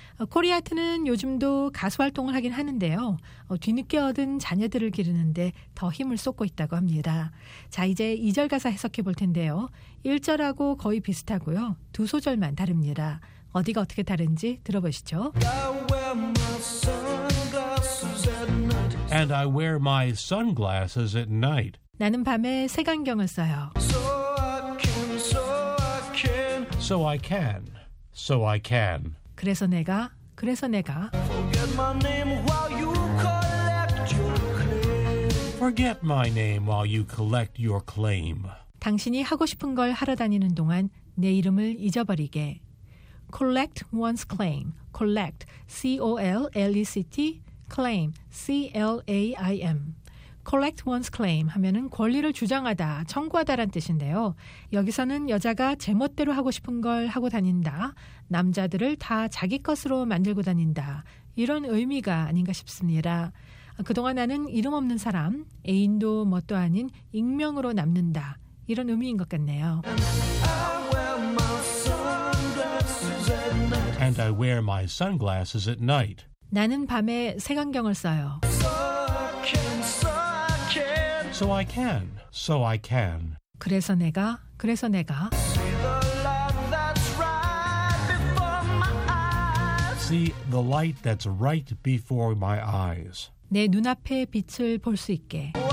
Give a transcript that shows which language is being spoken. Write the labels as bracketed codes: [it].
[ko] 코리 하트는 요즘도 가수 활동을 하긴 하는데요. 뒤늦게 얻은 자녀들을 기르는데 더 힘을 쏟고 있다고 합니다. 자, 이제 2절 가사 해석해 볼 텐데요. 1절하고 거의 비슷하고요. 두 소절만 다릅니다. 어디가 어떻게 다른지 들어보시죠. [en] And I wear my sunglasses at night. [ko] 나는 밤에 색안경을 써요. [en] So I can, so I can. So I can. So I can. [ko] 그래서 내가, 그래서 내가. [en] Forget my name while you collect your claim. Forget my name while you collect your claim. [ko] 당신이 하고 싶은 걸 하러 다니는 동안 내 이름을 잊어버리게. [en] Collect one's claim. Collect, C-O-L-L-E-C-T, claim, C-L-A-I-M. Collect one's claim [ko] 하면은 권리를 주장하다, 청구하다란 뜻인데요. 여기서는 여자가 제멋대로 하고 싶은 걸 하고 다닌다, 남자들을 다 자기 것으로 만들고 다닌다 이런 의미가 아닌가 싶습니다. 그동안 나는 이름 없는 사람, 애인도 멋도 아닌 익명으로 남는다 이런 의미인 것 같네요. [en] And I wear my sunglasses at night. [ko] 나는 밤에 색안경을 써요. [en] So I can, so I can. So I can, so I can. [ko] 그래서 내가, 그래서 내가. [en] See the light that's right before my eyes. See the light that's right before my eyes. [ko] 내 눈앞에 빛을 볼 수 있게.